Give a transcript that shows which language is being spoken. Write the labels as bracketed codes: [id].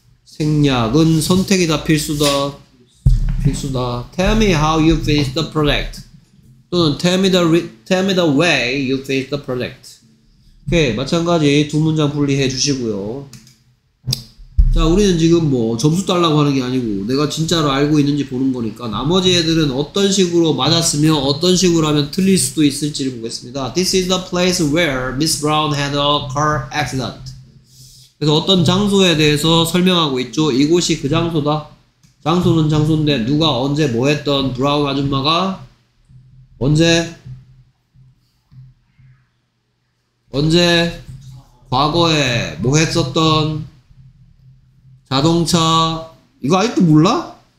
[en] 생략은 선택이다 필수다 Tell me how you finish the project 또는 tell me the way you finish the project. [ko] 오케이, 마찬가지 두 문장 분리해 주시고요. 자, 우리는 지금 뭐 점수 달라고 하는 게 아니고 내가 진짜로 알고 있는지 보는 거니까 나머지 애들은 어떤 식으로 맞았으며 어떤 식으로 하면 틀릴 수도 있을지 보겠습니다. [en] This is the place where Miss Brown had a car accident. [ko] 그래서 어떤 장소에 대해서 설명하고 있죠. 이곳이 그 장소다. 장소는 장소인데 누가 언제 뭐 했던 브라운 아줌마가 언제 과거에 뭐 했었던 자동차 이거 아직도 몰라?